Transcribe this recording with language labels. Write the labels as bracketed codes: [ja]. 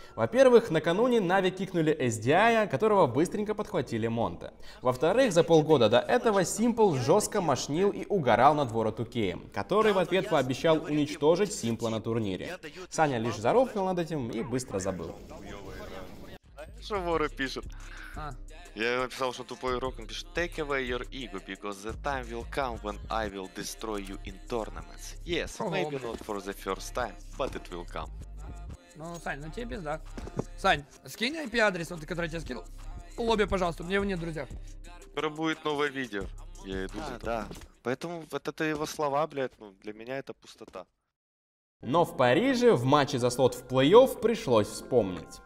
[ru] Во-первых, накануне Нави кикнули SDI, которого быстренько подхватили Монте. Во-вторых, за полгода до этого Simple жестко мошнил и угорал над World 2K, который в ответ пообещал уничтожить Simple на турнире. Саня лишь заровкал над этим и быстро забыл. Что воры пишут? Я написал, что тупой игрок, он пишет: [en] «Take away your ego, because the time will come when I will destroy you in tournaments. Yes, maybe not for the first time, but it will come». [ru] Ну, Сань, ну тебе пизда. Сань, скинь IP-адрес, вот, который я тебе скинул. Лобби, пожалуйста, у меня его нет, друзья. Скоро будет новое видео. Я иду за тобой. Да. Поэтому вот это его слова, блядь, ну, для меня это пустота. Но в Париже в матче за слот в плей-офф пришлось вспомнить.